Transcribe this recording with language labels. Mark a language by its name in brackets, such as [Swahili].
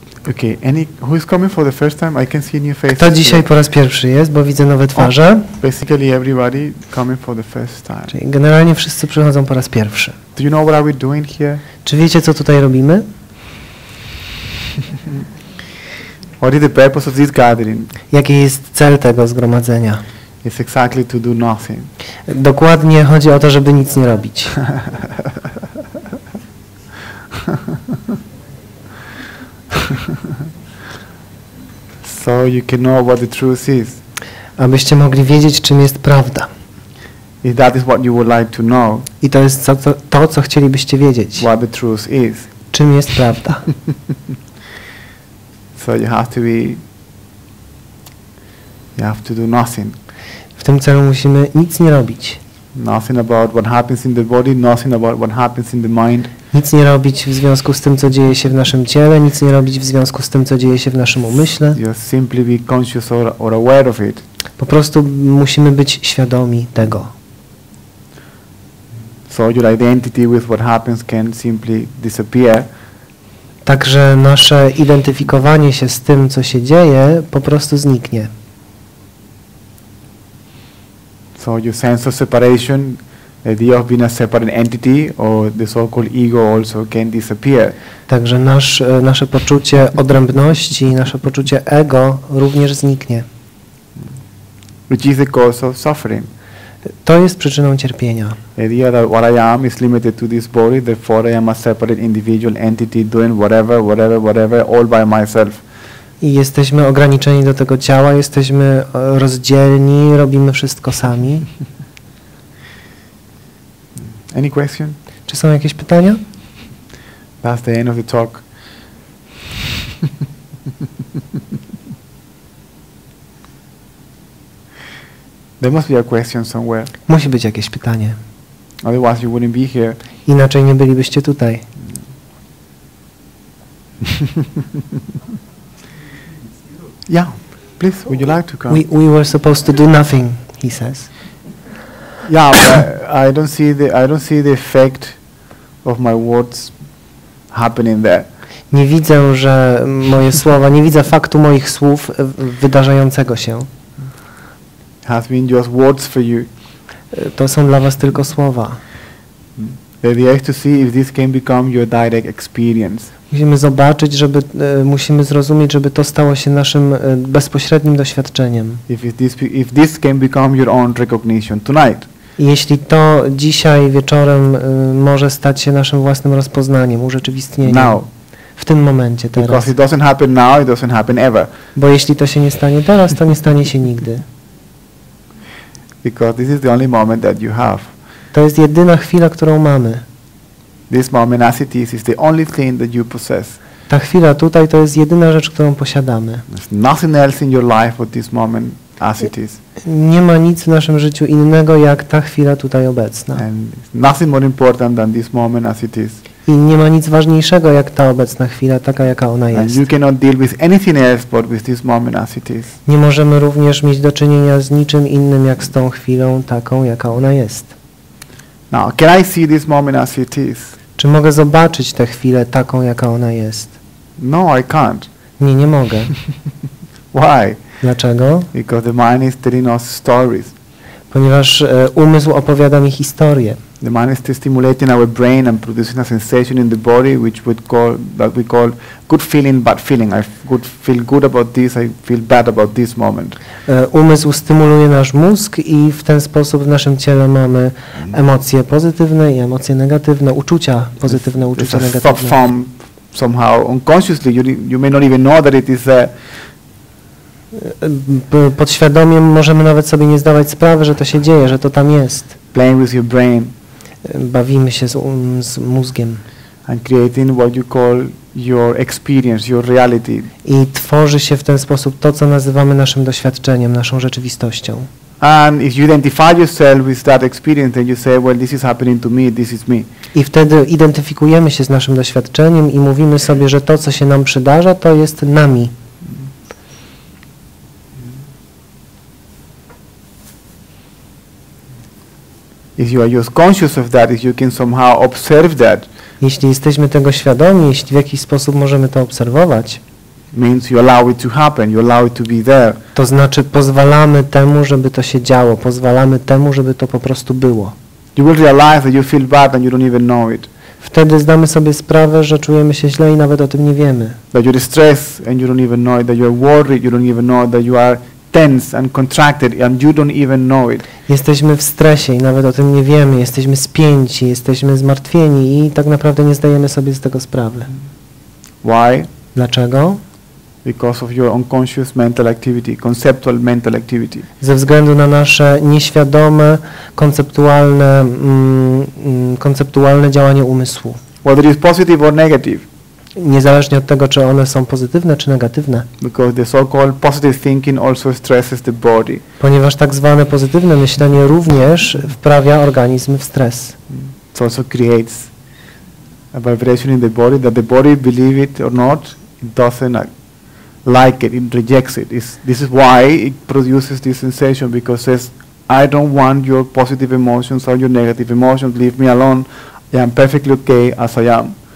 [English] Okay, any who is coming for the first time? I can see new faces. [Polish] Kto dzisiaj po raz pierwszy jest, bo widzę nowe twarze. [English] Oh, basically everybody coming for the first time. [Polish] Czyli generalnie wszyscy przychodzą po raz pierwszy. [English] Do you know what are we doing here? [Polish] Czy wiecie, co tutaj robimy? [English] What is the purpose of this gathering? [Polish] Jaki jest cel tego zgromadzenia? [English] It's exactly to do nothing. [Polish] Dokładnie chodzi o to, żeby nic nie robić. [English] So you can know what the truth is. [Polish] Abyście mogli wiedzieć, czym jest prawda. [English] If that is what you would like to know. [Polish] I to jest to, co chcielibyście wiedzieć. [English] What the truth is. [Polish] Czym jest prawda. [English] So you have to be. You have to do nothing. [Polish] W tym celu musimy nic nie robić. [English] Nothing about what happens in the body, nothing about what happens in the mind. [Polish] Nic nie robić w związku z tym, co dzieje się w naszym ciele, nic nie robić w związku z tym, co dzieje się w naszym umyśle. [English] Just simply be conscious or aware of it. [Polish] Po prostu musimy być świadomi tego. [English] So your identity with what happens can simply disappear. [Polish] Także nasze identyfikowanie się z tym, co się dzieje, po prostu zniknie. [English] So your sense of separation, the idea of being a separate entity or the so-called ego also can disappear. [Polish] Także nasze poczucie odrębności, nasze poczucie ego również zniknie. [English] Which is the cause of suffering. [Polish] To jest przyczyną cierpienia. [English] The idea that what I am is limited to this body, therefore I am a separate individual entity doing whatever, all by myself. [Polish] I jesteśmy ograniczeni do tego ciała, jesteśmy rozdzielni, robimy wszystko sami. [English] Any question? [Polish] Czy są jakieś pytania? [English] That's the end of the talk. There must be a question somewhere. [Polish] Musi być jakieś pytanie. [English] Otherwise you wouldn't be here. [Polish] Inaczej nie bylibyście tutaj. [English] Yeah, please, would you like to come? We were supposed to do nothing, he says. Yeah, but I don't see the effect of my words happening there. [Polish] Nie widzę, że moje słowa, nie widzę faktu moich słów wydarzającego się. [English] Has been just words for you. [Polish] To są dla was tylko słowa. [English] The idea is to see if this can become your direct experience. [Polish] Musimy zobaczyć, żeby musimy zrozumieć, żeby to stało się naszym bezpośrednim doświadczeniem. [English] If this can become your own recognition tonight. [Polish] Jeśli to dzisiaj wieczorem może stać się naszym własnym rozpoznaniem, urzeczywistnieniem. [English] Now. [Polish] W tym momencie, teraz. [English] Because it doesn't happen now, it doesn't happen ever. [Polish] Bo jeśli to się nie stanie teraz, to nie stanie się nigdy. [English] Because this is the only moment that you have. [Polish] To jest jedyna chwila, którą mamy. [English] This moment as it is the only thing that you possess. [Polish] Ta chwila tutaj to jest jedyna rzecz, którą posiadamy. [English] There's nothing else in your life but this moment as it is. [Polish] Nie ma nic w naszym życiu innego jak ta chwila tutaj obecna. [English] And nothing more important than this moment as it is. [Polish] I nie ma nic ważniejszego jak ta obecna chwila, taka jaka ona jest. [English] And you cannot deal with anything else but with this moment as it is. [Polish] Nie możemy również mieć do czynienia z niczym innym jak z tą chwilą, taką jaka ona jest. [English] Now, can I see this moment as it is? [Polish] Czy mogę zobaczyć tę chwilę taką, jaka ona jest? [English] No, I can't. [Polish] Nie, nie mogę. [English] Why? [Polish] Dlaczego? [English] Because the mind is telling us stories. [Polish] Ponieważ umysł opowiada mi historię. [English] The mind is stimulating our brain and producing a sensation in the body, which we call that we call good feeling, bad feeling. I feel good about this. I feel bad about this moment. [Polish] Umysł stymuluje nasz mózg i w ten sposób w naszym ciele mamy emocje pozytywne i emocje negatywne, uczucia pozytywne, uczucia negatywne. [English] It's a form somehow unconsciously. You may not even know that it is there. [Polish] Podświadomie możemy nawet sobie nie zdawać sprawy, że to się dzieje, że to tam jest. [English] Playing with your brain. [Polish] Bawimy się z mózgiem. [English] And creating what you call your experience, your reality. [Polish] I tworzy się w ten sposób to, co nazywamy naszym doświadczeniem, naszą rzeczywistością. [English] And if you identify yourself with that experience, then you say, well, this is happening to me, this is me. [Polish] I wtedy identyfikujemy się z naszym doświadczeniem i mówimy sobie, że to, co się nam przydarza, to jest nami. [English] If you are just conscious of that, if you can somehow observe that. [Polish] Jeśli jesteśmy tego świadomi, jeśli w jakiś sposób możemy to obserwować. [English] means you allow it to happen, you allow it to be there. [Polish] To znaczy pozwalamy temu, żeby to się działo, pozwalamy temu, żeby to po prostu było. [English] You will realize that you feel bad and you don't even know it. [Polish] Wtedy zdamy sobie sprawę, że czujemy się źle i nawet o tym nie wiemy. [English] That you're stressed and you don't even know it, that you're worried, you don't even know it, that you are tense and contracted and you don't even know it. [Polish] Jesteśmy w stresie i nawet o tym nie wiemy, jesteśmy spięci, jesteśmy zmartwieni i tak naprawdę nie zdajemy sobie z tego sprawy. [English] Why? [Polish] Dlaczego? [English] Because of your unconscious mental activity, conceptual mental activity. [Polish] Ze względu na nasze nieświadome, konceptualne, konceptualne działanie umysłu. [English] Whether it is positive or negative. [Polish] Niezależnie od tego, czy one są pozytywne, czy negatywne. [English] Because the so-called positive thinking also stresses the body. [Polish] Ponieważ tak zwane pozytywne myślenie również wprawia organizm w stres. [English] It also creates a vibration in the body that the body, believe it or not, it doesn't like it, it rejects it. This is why it produces this sensation, because it says, I don't want your positive emotions or your negative emotions, leave me alone, I am perfectly okay as I am.